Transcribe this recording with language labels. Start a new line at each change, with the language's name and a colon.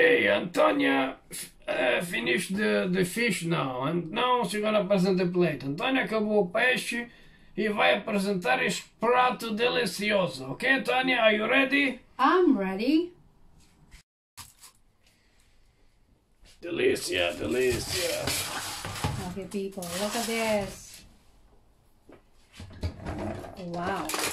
English: Antonia finished the fish now, and now she's gonna present the plate.
Portuguese: Antonia acabou o peixe e vai apresentar este prato delicioso.
English: Ok, Antonia, are you ready? I'm ready.
Portuguese: Delícia, delícia.
English: Okay, people, look at this. Wow.